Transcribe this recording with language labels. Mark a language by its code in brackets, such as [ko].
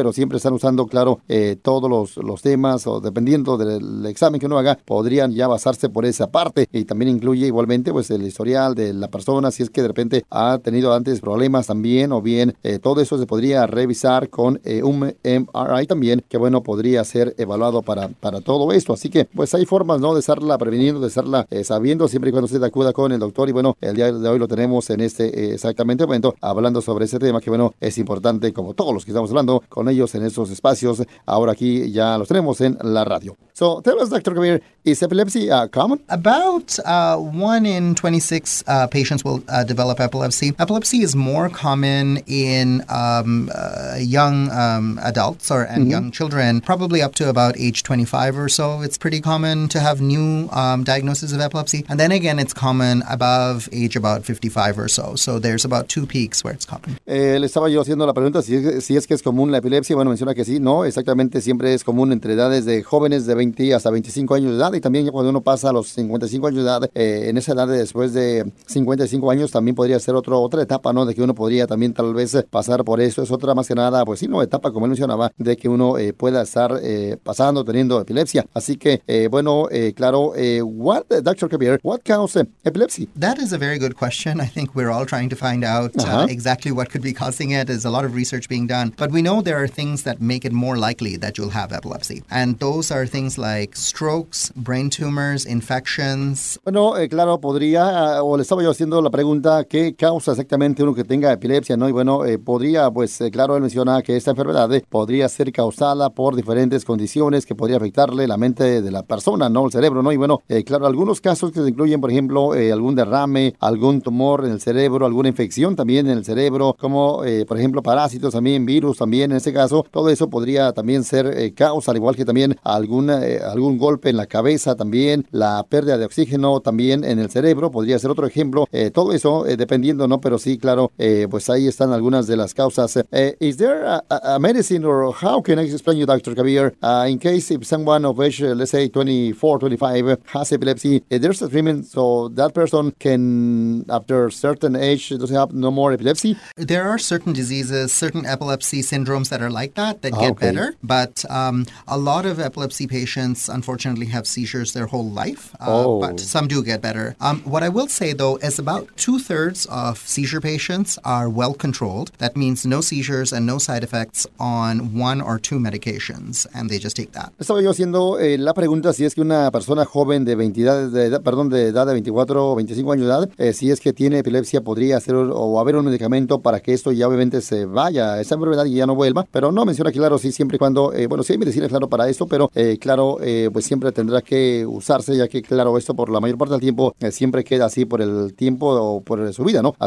[es] Pero siempre están usando, claro, todos los temas o dependiendo del examen que uno haga, podrían ya basarse por esa parte y también incluye igualmente pues el historial de la persona, si es que de repente ha tenido antes problemas también o bien todo eso se podría revisar con un MRI también, que bueno, podría ser evaluado para todo esto. Así que pues hay formas, ¿no?, de estarla previniendo, de estarla sabiendo siempre y cuando usted acuda con el doctor y bueno, el día de hoy lo tenemos en este exactamente momento hablando sobre ese tema que bueno, es importante como todos los que estamos hablando con ellos en esos espacios. Ahora aquí ya los tenemos en la radio. [en] So, tell us, Dr. Kabir, is epilepsy common? About 1 in 26 patients will develop epilepsy. Epilepsy is more common in young adults or and young children, probably up to about age 25 or so. It's pretty common to have new diagnoses of epilepsy. And then again, it's common above age about 55 or so. So there's about two peaks where it's common. [es] Le estaba yo haciendo la pregunta si es que es común la epilepsia. Bueno, menciona que sí, no, exactamente siempre es común entre edades de jóvenes de 20 hasta 25 años de edad y también cuando uno pasa a los 55 años de edad, en esa edad de después de 55 años también podría ser otra etapa, ¿no? De que uno podría también tal vez pasar por eso. Es otra más que nada, pues sí, no, etapa como él mencionaba, de que uno pueda estar pasando, teniendo epilepsia. Así que, bueno, claro, [en] what, Dr. Kabir, what causes epilepsy? That is a very good question. I think we're all trying to find out exactly what could be causing it. There's a lot of research being done. But we know there are things that make it more likely that you'll have epilepsy. And those are things like strokes, brain tumors, infections. [es] Bueno, claro, podría, o le estaba yo haciendo la pregunta, ¿qué causa exactamente uno que tenga epilepsia, no? Y bueno, podría, pues claro, él menciona que esta enfermedad podría ser causada por diferentes condiciones que podría afectarle la mente de la persona, ¿no? El cerebro, ¿no? Y bueno, claro, algunos casos que se incluyen, por ejemplo, algún derrame, algún tumor en el cerebro, alguna infección también en el cerebro, como, por ejemplo, parásitos también, virus también, en este caso, todo eso podría también ser causa, al igual que también algún golpe en la cabeza también, la pérdida de oxígeno también en el cerebro, podría ser otro ejemplo, todo eso dependiendo, ¿no? Pero sí, claro, pues ahí están algunas de las causas. [en] Is there a medicine or how can I explain you, Dr. Kabir, in case if someone of age, let's say 24, 25, has epilepsy, there's a treatment so that person can, after certain age, doesn't have no more epilepsy? There are certain diseases, certain epilepsy syndromes that are like that get better, but a lot of epilepsy patients unfortunately have seizures their whole life, but some do get better. What I will say, though, is about two-thirds of seizure patients are well-controlled. That means no seizures and no side effects on one or two medications, and they just take that. [es] Estaba yo haciendo la pregunta si es que una persona joven de 20 edades, de edad de 24 o 25 años de edad, si es que tiene epilepsia, podría hacer o haber un medicamento para que esto ya obviamente se vaya, esa enfermedad y ya no vuelva, pero no menciona, claro, sí, siempre y cuando, bueno, sí hay medicina, claro, para esto, pero claro, pues siempre tendrá que usarse, ya que claro, esto por la mayor parte del tiempo siempre queda así por el tiempo o por su vida, ¿no?